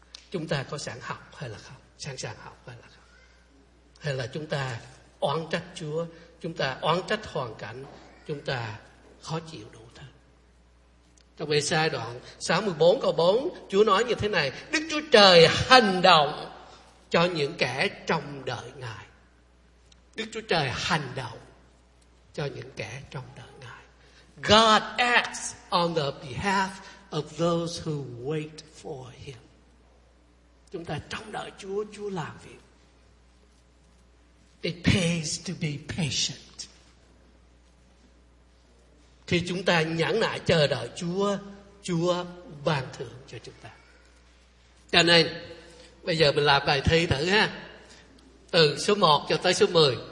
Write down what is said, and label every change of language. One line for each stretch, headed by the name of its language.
Vietnamese: Chúng ta có sẵn học hay là không? Sẵn sàng học hay là không? Hay là chúng ta oán trách Chúa, chúng ta oán trách hoàn cảnh, chúng ta khó chịu đủ thứ. Trong Ê-sai đoạn 64 câu 4, Chúa nói như thế này: Đức Chúa Trời hành động cho những kẻ trông đợi Ngài. Đức Chúa Trời hành động cho những kẻ trông đợi Ngài.
English: God acts on the behalf of those who wait for Him.
Vietnamese: Chúng ta trông đợi Chúa, Chúa làm việc.
English: It pays to be patient.
Vietnamese: Khi chúng ta nhẫn nại chờ đợi Chúa, Chúa ban thưởng cho chúng ta. Cho nên bây giờ mình làm bài thi thử ha. Từ số 1 cho tới số 10.